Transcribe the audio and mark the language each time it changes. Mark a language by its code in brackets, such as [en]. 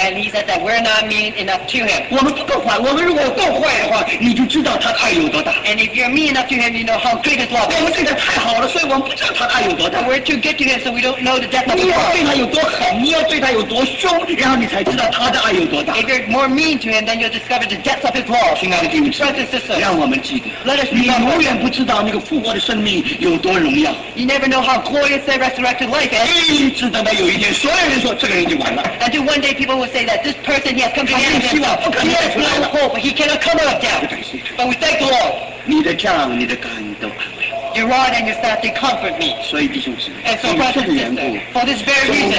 [en] And he said that we're not mean enough to him. [zh] 我们不够坏，我们如果够坏的话，你就知道他爱有多大。 [en] And if you're mean enough to him, you know how great his love is. [zh] 我们对他太好了，所以我们不知道他爱有多大。 [en] We're too good to him, so we don't know the depth of his [zh] love. 你要对他有多狠，你要对他有多凶，然后你才知道他的爱有多大。 [en] If you're more mean to him, then you'll discover the depth of his love. [zh] 亲爱的弟兄姊妹， [en] brothers and sisters, [zh] 让我们记得， [en] let us [zh] remember. 你永远不知道那个复活的生命有多荣耀。 [en] You never know how glorious that resurrected life is. [zh] 一直等到有一天，所有人说这个人就完了。 [en] Until one day people will say that this person he has come to the end of himself. He has no hope. He cannot come out of death. But we thank the Lord. [zh] 你的杖，你的竿都安慰我。 [en] Your rod and your staff they comfort me. [zh] 所以弟兄姊妹， [en] and so brothers and sisters, for this very reason,